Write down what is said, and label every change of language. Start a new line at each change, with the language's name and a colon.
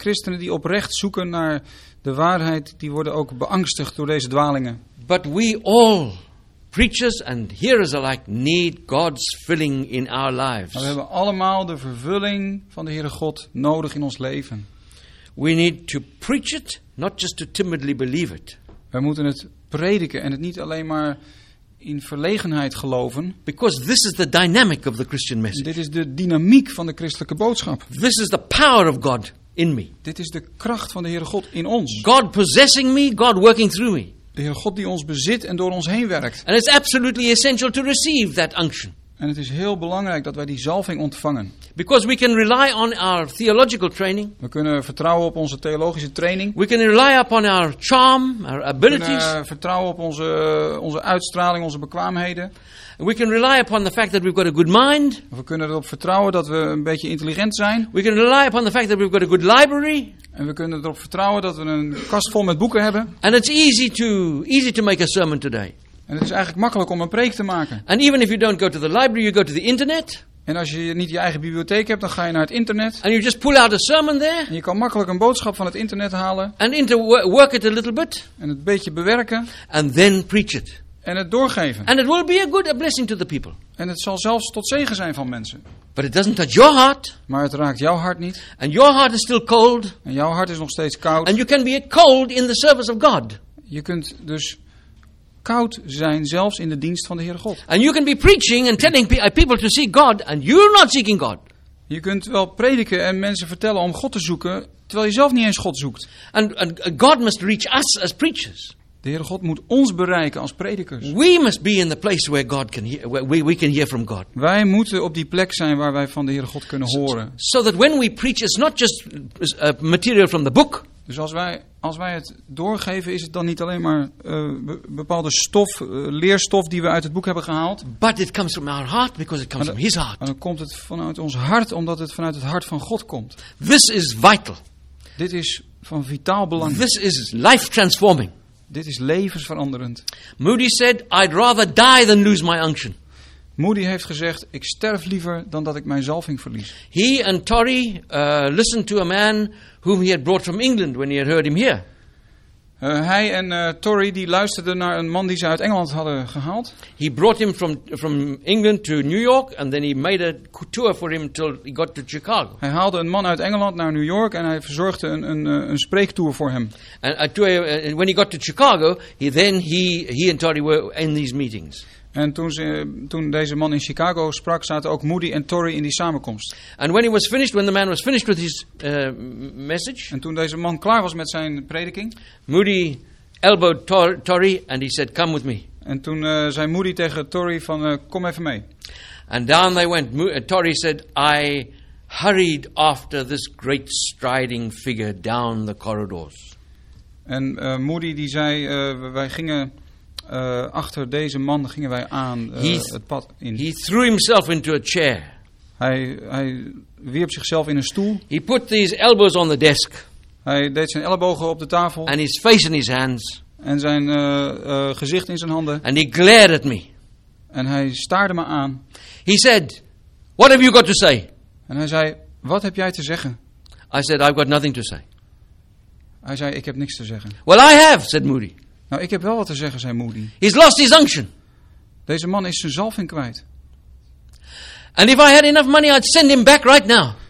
Dutch: Christenen die oprecht zoeken naar de waarheid, die worden ook beangstigd door deze dwalingen.
English: But we all, preachers and hearers alike, need God's filling in our lives.
Dutch: Maar we hebben allemaal de vervulling van de Heere God nodig in ons leven.
English: We need to preach it, not just to timidly believe it.
Dutch: We moeten het prediken en het niet alleen maar in verlegenheid geloven.
English: Because this is the dynamic of the Christian message.
Dutch: Dit is de dynamiek van de christelijke boodschap.
English: This is the power of God. in me.
Dutch: Dit is de kracht van de Heere God in ons.
English: God possessing me, God working through me.
Dutch: De Heere God die ons bezit en door ons heen werkt.
English: And it's absolutely essential to receive that unction.
Dutch: En het is heel belangrijk dat wij die zalving ontvangen.
English: Because we can rely on our theological training.
Dutch: We kunnen vertrouwen op onze theologische training.
English: We can rely upon our charm, our abilities.
Dutch: We kunnen vertrouwen op onze uitstraling, onze bekwaamheden.
English: We can rely upon the fact that we've got a good mind.
Dutch: We kunnen erop vertrouwen dat we een beetje intelligent zijn.
English: We can rely upon the fact that we've got a good library.
Dutch: En we kunnen erop vertrouwen dat we een kast vol met boeken hebben.
English: And it's easy to make a sermon today.
Dutch: En het is eigenlijk makkelijk om een preek te maken.
English: And even if you don't go to the library, you go to the internet.
Dutch: En als je niet je eigen bibliotheek hebt, dan ga je naar het internet.
English: And you just pull out a sermon there.
Dutch: En je kan makkelijk een boodschap van het internet halen.
English: And work it a little bit.
Dutch: En het beetje bewerken.
English: And then preach it.
Dutch: En het doorgeven.
English: And it will be a good blessing to the people.
Dutch: En het zal zelfs tot zegen zijn van mensen.
English: But it doesn't touch your heart.
Dutch: Maar het raakt jouw hart niet.
English: And your heart is still cold.
Dutch: En jouw hart is nog steeds koud.
English: And you can be cold in the service of God.
Dutch: Je kunt dus koud zijn zelfs in de dienst van de Heere God.
English: And you can be preaching and telling people to seek God and you're not seeking God.
Dutch: Je kunt wel prediken en mensen vertellen om God te zoeken terwijl je zelf niet eens God zoekt.
English: And God must reach us as preachers.
Dutch: De Heere God moet ons bereiken als predikers.
English: We must be in the place where God can hear, where we can hear from God.
Dutch: Wij moeten op die plek zijn waar wij van de Heere God kunnen horen.
English: So that when we preach it's not just material from the book.
Dutch: Dus als wij het doorgeven, is het dan niet alleen maar bepaalde stof, leerstof die we uit het boek hebben gehaald.
English: But it comes from our heart because it comes from His heart.
Dutch: En dan komt het vanuit ons hart, omdat het vanuit het hart van God komt.
English: This is vital.
Dutch: Dit is van vitaal belang.
English: This is life transforming.
Dutch: Dit is levensveranderend.
English: Moody said, I'd rather die than lose my unction.
Dutch: Moody heeft gezegd, ik sterf liever dan dat ik mijn zalving verlies.
English: He and Torrey listened to a man whom he had brought from England when he had heard him here.
Dutch: Hij en Torrey die luisterden naar een man die ze uit Engeland hadden gehaald.
English: He brought him from England to New York and then he made a tour for him till he got to Chicago.
Dutch: Hij haalde een man uit Engeland naar New York en hij verzorgde een spreektour voor hem.
English: And when he got to Chicago, he and Torrey were in these meetings.
Dutch: En toen deze man in Chicago sprak, zaten ook Moody en Torrey in die samenkomst.
English: And when he was finished, when the man was finished with his message.
Dutch: En toen deze man klaar was met zijn prediking.
English: Moody elbowed Torrey and he said, come with me.
Dutch: En toen zei Moody tegen Torrey van, kom even mee.
English: And down they went. Torrey said, I hurried after this great striding figure down the corridors.
Dutch: En Moody die zei, wij gingen achter deze man gingen wij aan het pad in.
English: He threw himself into a chair.
Dutch: Hij wierp zichzelf in een stoel.
English: He put his elbows on the desk.
Dutch: Hij deed zijn ellebogen op de tafel.
English: And his face in his hands.
Dutch: En zijn gezicht in zijn handen.
English: And he glared at me.
Dutch: En hij staarde me aan.
English: He said, "What have you got to say?"
Dutch: En hij zei, "Wat heb jij te zeggen?"
English: I said, "I've got nothing to say."
Dutch: Hij zei, "Ik heb niks te zeggen."
English: "Well, I have," said Moody.
Dutch: Nou, ik heb wel wat te zeggen, zei Moody.
English: He's lost his unction.
Dutch: Deze man is zijn zalving kwijt.
English: And if I had enough money, I'd send him back right now.